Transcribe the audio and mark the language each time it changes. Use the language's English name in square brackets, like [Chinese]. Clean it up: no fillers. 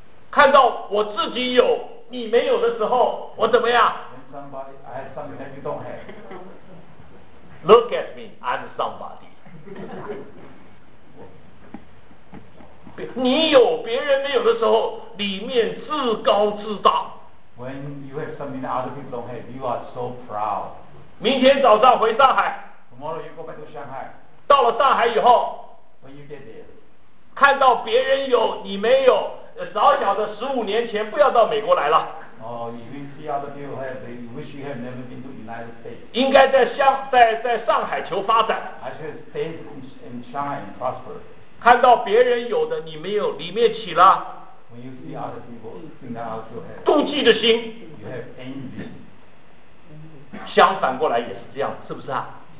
[Chinese] 看到我自己有你没有的时候我怎么样 [English] somebody, I have something that you don't have. Look at me, I'm somebody. [Chinese] 你有别人没有的时候里面自高自大 [English] When you have something that other people don't have, you are so proud. [Chinese] 明天早上回上海 [English] Tomorrow you go back to Shanghai. [Chinese] 到了上海以后 [English] When you get there. [Chinese] 看到别人有你没有早晓得十五年前不要到美国来了。 [English] Oh, wish you have never been to United States. [Chinese] 应该在上海求发展。 [English] I should stay in China and prosper. [Chinese] 看到别人有的你没有，里面起了。 [English] When you see other people, think that I also have. [Chinese] 妒忌的心。 [English] You have envy. [Chinese] 相反过来也是这样，是不是啊？